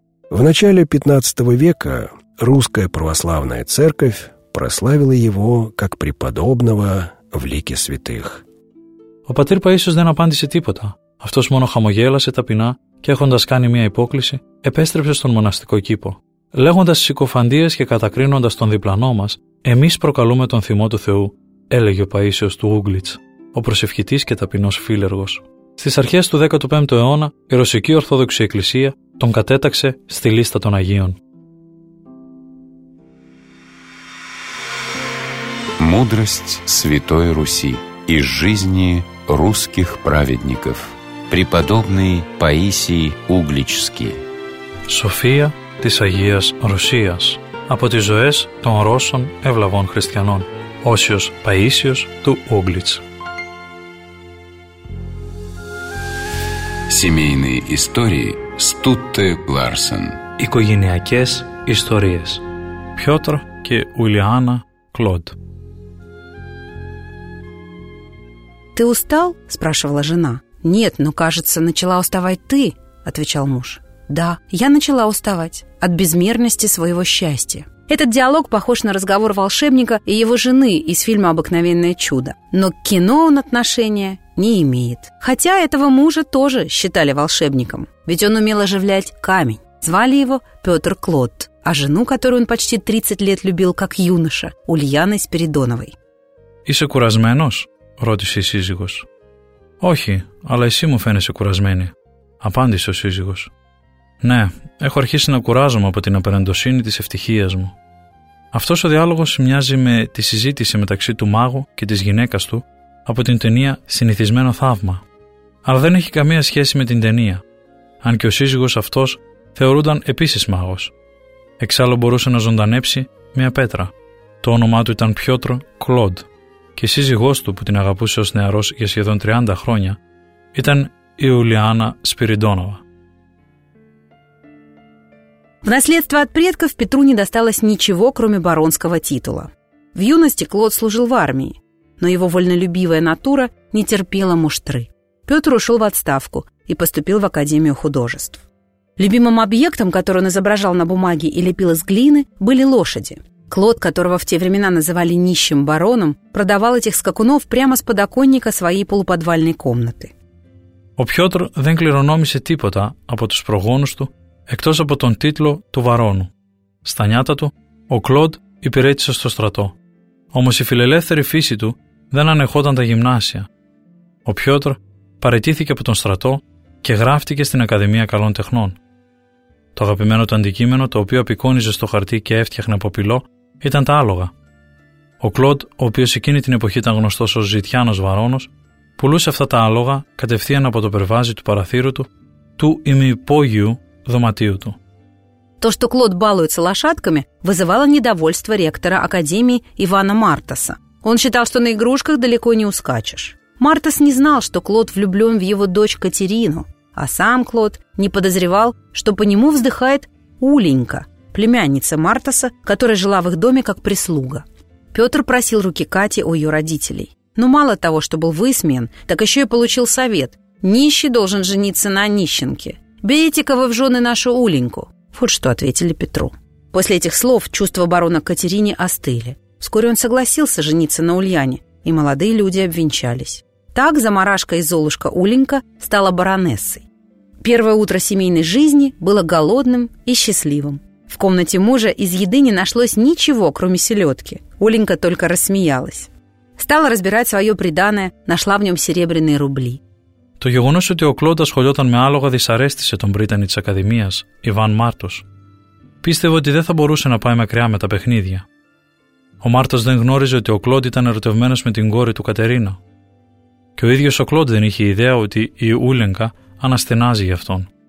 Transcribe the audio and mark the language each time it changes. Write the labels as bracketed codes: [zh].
[ru] В начале 15 века русская православная церковь прославила его как преподобного в лике святых. [el] Ο πατήρ Παΐσιος δεν απάντησε τίποτα. Αυτός μόνο χαμογέλασε ταπεινά και έχοντας κάνει μια υπόκληση, επέστρεψε στον μοναστικό κήπο. Λέγοντας συκοφαντίες και κατακρίνοντας τον διπλανό μας, εμείς προκαλούμε τον θυμό του Θεού, έλεγε ο Παΐσιος του Ούγκλιτς, ο προσευχητής και ταπεινός φίλεργος. Στις αρχές του 15ου αιώνα, η Ρωσική Ορθόδοξη Εκκλησία τον κατέταξε στη λίστα των Αγίων. [ru] Мудрость Святой Руси из жизни русских праведников. Преподобный Паисий Угличский. София [el] της Агίας Ρωσίας. Από τις ζωές των Ρώσων ευλαβών χριστιανών. Όσιος Παΐσιος του Ούγκλιτς. [ru] Семейные истории Стутте Ларсен. [el] Οικογενειακές ιστορίες. Πιότρ και Ουλιάνα Κλοντ. [ru] «Ты устал?» – спрашивала жена. «Нет, но, кажется, начала уставать ты», – отвечал муж. «Да, я начала уставать от безмерности своего счастья». Этот диалог похож на разговор волшебника и его жены из фильма «Обыкновенное чудо». Но к кино он отношения не имеет. Хотя этого мужа тоже считали волшебником. Ведь он умел оживлять камень. Звали его Петр Клод. А жену, которую он почти 30 лет любил как юноша, Ульяной Спиридоновой. [el] «Είσαι κουρασμένος?» ρώτησε η σύζυγος. «Όχι, αλλά εσύ μου φαίνεσαι κουρασμένη», απάντησε ο σύζυγος. «Ναι, έχω αρχίσει να κουράζομαι από την απεραντοσύνη της ευτυχίας μου». Αυτός ο διάλογος μοιάζει με τη συζήτηση μεταξύ του μάγου και της γυναίκας του από την ταινία «Συνηθισμένο θαύμα». Αλλά δεν έχει καμία σχέση με την ταινία, αν και ο σύζυγος αυτός θεωρούνταν επίσης μάγος. Εξάλλου μπορούσε να ζωντανέψει μια πέτρα. Το όνομά του ήταν Πιότρ Κλοντ. Και η σύζυγός του, που την αγαπούσε ως νεαρός για σχεδόν 30 χρόνια, ήταν η Ιουλιάνα Σπυριντόνοβα. [ru] В наследство от предков Петру не досталось ничего, кроме баронского титула. В юности Клод служил в армии, но его вольнолюбивая натура не терпела муштры. Петр ушел в отставку и поступил в Академию художеств. Любимым объектом, который он изображал на бумаге и лепил из глины, были лошади. Клод, которого в те времена называли нищим бароном, продавал этих скакунов прямо с подоконника своей полуподвальной комнаты. [el] Ο Пьотр δεν κληρονόμησε τίποτα από τους προγόνους του, εκτός από τον τίτλο του βαρόνου. Στα νιάτα του, ο Κλοντ υπηρέτησε στο στρατό. Όμως η φιλελεύθερη φύση του δεν ανεχόταν τα γυμνάσια. Ο Πιότρ παραιτήθηκε από τον στρατό και γράφτηκε στην Ακαδημία Καλών Τεχνών. Το αγαπημένο του αντικείμενο, το οποίο απεικόνιζε στο χαρτί και έφτιαχνε από πυλό, ήταν τα άλογα. Ο Κλοντ, ο οποίος εκείνη την εποχή ήταν γνωστός ως Ζητιάνος Βαρόνος, πουλούσε αυτά τα άλογα κατευθείαν από το περβάζι του παραθύρου του, του ημιυπόγειου δωματίου του. [ru] То, что Клод балуется лошадками, вызывало недовольство ректора Академии Ивана Мартаса. Он считал, что на игрушках далеко не ускачешь. Мартас не знал, что Клод влюблен в его дочь Катерину, а сам Клод не подозревал, что по нему вздыхает Уленька, племянница Мартаса, которая жила в их доме как прислуга. Петр просил руки Кати у ее родителей. Но мало того, что был высмеян, так еще и получил совет. «Нищий должен жениться на нищенке. Берите-ка вы в жены нашу Уленьку». Вот что ответили Петру. После этих слов чувства барона к Катерине остыли. Вскоре он согласился жениться на Ульяне, и молодые люди обвенчались. Так заморашка и золушка Уленька стала баронессой. Первое утро семейной жизни было голодным и счастливым. В комнате мужа из еды не нашлось ничего, кроме селедки. Уленька только рассмеялась. Стала разбирать свое приданое, нашла в нем серебряные рубли. [el] Το γεγονός ότι ο Κλοντ ασχολιόταν με άλογα δυσαρέστησε τον πρίτανη της Ακαδημίας, Ιβάν Μάρτος. Πίστευε ότι δεν θα μπορούσε να πάει μακριά με τα παιχνίδια. Ο Μάρτος δεν γνώριζε ότι ο Κλοντ ήταν ερωτευμένος με την κόρη του Κατερίνα. Και ο ίδιος ο Κλοντ δεν είχε ιδέα ότι η Ούλενκα αναστενάζει γι' αυτόν.